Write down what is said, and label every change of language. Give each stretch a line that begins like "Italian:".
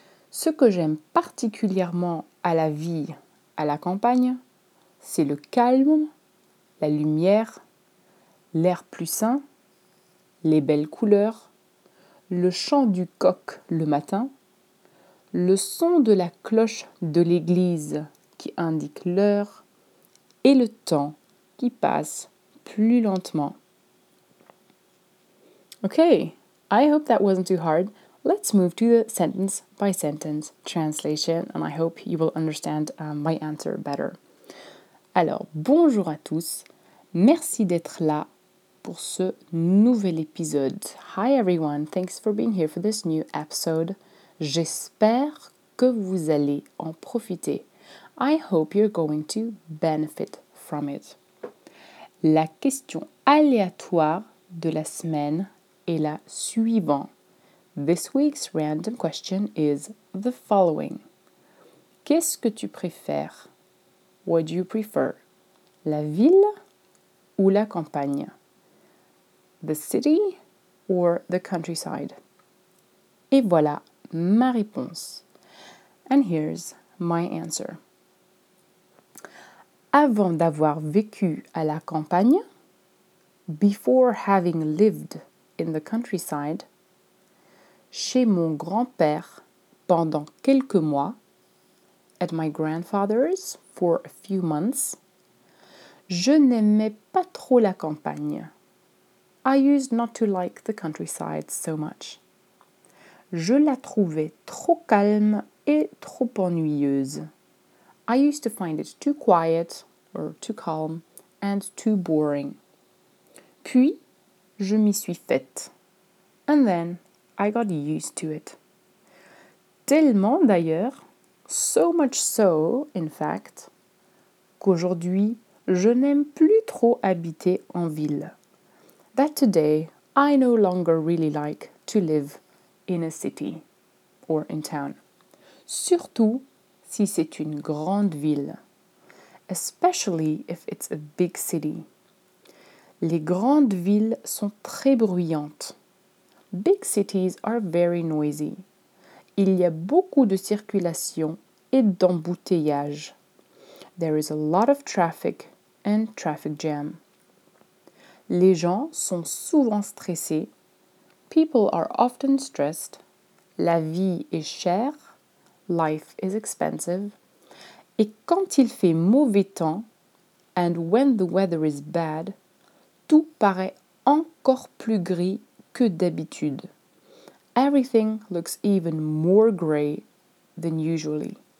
French: Ce que j'aime particulièrement à la vie à la campagne, c'est le calme, la lumière, l'air plus sain, les belles couleurs, le chant du coq le matin, le son de la cloche de l'église qui indique l'heure et le temps qui passe plus lentement.
English: Okay, I hope that wasn't too hard. Let's move to the sentence by sentence translation and I hope you will understand my answer better.
French: Alors, bonjour à tous. Merci d'être là pour ce nouvel épisode.
English: Hi everyone, thanks for being here for this new episode.
French: J'espère que vous allez en profiter.
English: I hope you're going to benefit from it.
French: La question aléatoire de la semaine est la suivante.
English: This week's random question is the following.
French: Qu'est-ce que tu préfères?
English: What do you prefer?
French: La ville ou la campagne?
English: The city or the countryside?
French: Et voilà ma réponse.
English: And here's my answer.
French: Avant d'avoir vécu à la campagne,
English: before having lived in the countryside,
French: chez mon grand-père pendant quelques mois,
English: at my grandfather's for a few months,
French: je n'aimais pas trop la campagne.
English: I used not to like the countryside so much.
French: Je la trouvais trop calme et trop ennuyeuse.
English: I used to find it too quiet or too calm and too boring.
French: Puis, je m'y suis faite.
English: And then, I got used to it.
French: Tellement d'ailleurs,
English: so much so, in fact,
French: qu'aujourd'hui, je n'aime plus trop habiter en ville.
English: That today, I no longer really like to live in a city or in town.
French: Surtout si c'est une grande ville.
English: Especially if it's a big city.
French: Les grandes villes sont très bruyantes.
English: Big cities are very noisy.
French: Il y a beaucoup de circulation et d'embouteillage.
English: There is a lot of traffic and traffic jam.
French: Les gens sont souvent stressés.
English: People are often stressed.
French: La vie est chère.
English: Life is expensive.
French: Et quand il fait mauvais temps,
English: and when the weather is bad,
French: tout paraît encore plus gris que d'habitude.
English: Everything looks even more gray than usually.